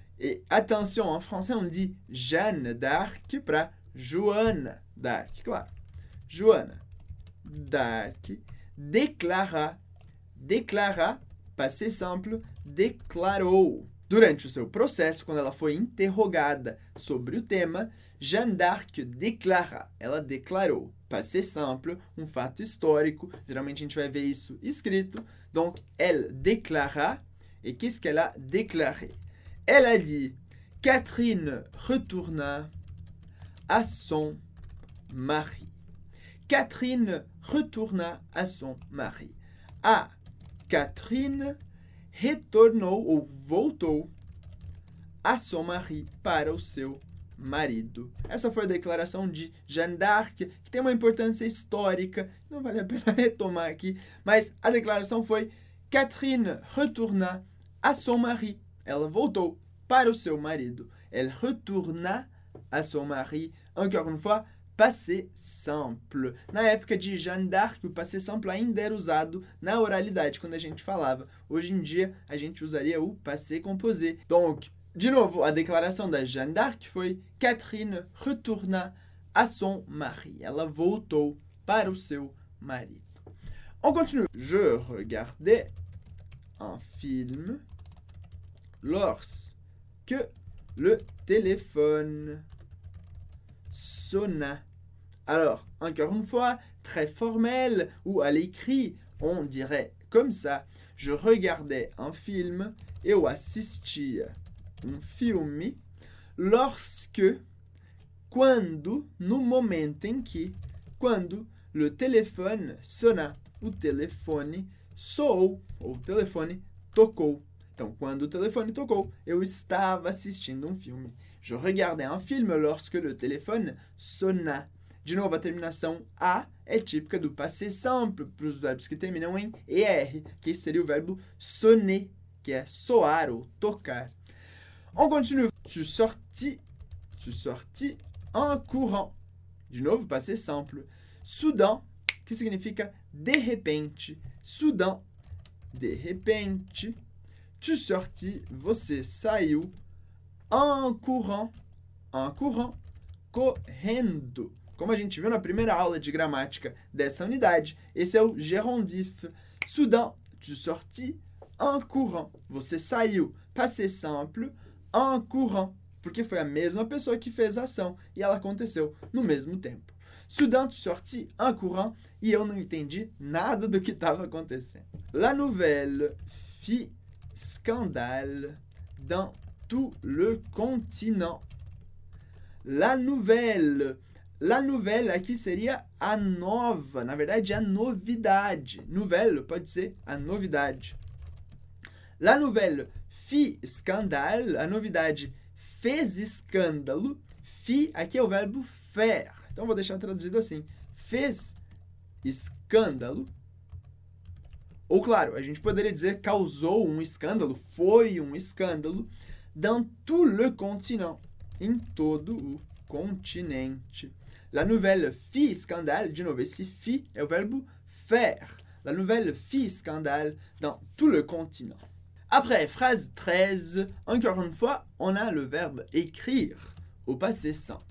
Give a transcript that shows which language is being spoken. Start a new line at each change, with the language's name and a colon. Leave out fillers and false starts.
French: Et attention, en français, on dit Jeanne d'Arc pour Joan d'Arc. Quoi? Joan d'Arc déclara, déclara, passé simple,
Portuguese: déclarou. Durante o seu processo, quando ela foi interrogada sobre o tema,
French: Jeanne d'Arc déclara,
Portuguese: ela declarou. Passé simple, um fato histórico. Geralmente a gente vai ver isso escrito.
French: Donc, elle déclara. Et qu'est-ce qu'elle a déclaré? Elle a dit, Catherine retourna à son mari. Catherine retourna à son mari.
Portuguese: À Catherine retornou ou voltou
French: a son mari,
Portuguese: para o seu marido. Essa foi a declaração de Jeanne d'Arc, que tem uma importância histórica, não vale a pena retomar aqui, mas a declaração foi
French: Catherine retourna a son mari.
Portuguese: Ela voltou para o seu marido.
French: Elle retourna à son mari. Encore une fois, passé simple.
Portuguese: Na época de Jeanne d'Arc, o passé simple ainda era usado na oralidade, quando a gente falava. Hoje em dia, a gente usaria o passé composé. Donc, de novo, a declaração da Jeanne d'Arc foi
French: Catherine retourna à son mari.
Portuguese: Ela voltou para o seu marido.
French: On continue. Je regardais un film lorsque le téléphone sonna. Alors, encore une fois, très formel ou à l'écrit, on dirait comme ça. Je regardais un film
Portuguese: et ou assistia un filme
French: lorsque,
Portuguese: quando, no momento em que, quando
French: le téléphone sonna.
Portuguese: O telefone soou, ou o telefone tocou. Então, quando o telefone tocou, eu estava assistindo um filme.
French: Je regardais un film lorsque le téléphone sonna.
Portuguese: De novo, a terminação a é típica do passé simple para os verbos que terminam em er, que seria o verbo sonner, que é soar ou tocar.
French: On continue. Tu sortis en courant.
Portuguese: De novo, passé simple.
French: Soudain,
Portuguese: que significa de repente.
French: Soudain,
Portuguese: de repente.
French: Tu sortis,
Portuguese: você saiu.
French: En courant, en courant,
Portuguese: correndo. Como a gente viu na primeira aula de gramática dessa unidade, esse é o gérondif.
French: Soudain, tu sortis en courant.
Portuguese: Você saiu. Passé simple,
French: en courant.
Portuguese: Porque foi a mesma pessoa que fez a ação e ela aconteceu no mesmo tempo.
French: Soudain, tu sortis en courant.
Portuguese: E eu não entendi nada do que estava acontecendo.
French: La nouvelle fit scandale dans tout le continent. La nouvelle.
Portuguese: La nouvelle aqui seria a nova, na verdade, a novidade. Nouvelle pode ser a novidade.
French: La nouvelle fit scandale,
Portuguese: a novidade fez escândalo. Fit aqui é o verbo faire. Então vou deixar traduzido assim: fez escândalo. Ou claro, a gente poderia dizer causou um escândalo, foi um escândalo
French: dans tout le continent,
Portuguese: em todo o continente. La nouvelle fit scandale, de novo, esse fit é o verbo faire.
French: La nouvelle fit scandale dans tout le continent. Après, phrase 13, encore une fois, on a le verbe écrire au passé simple.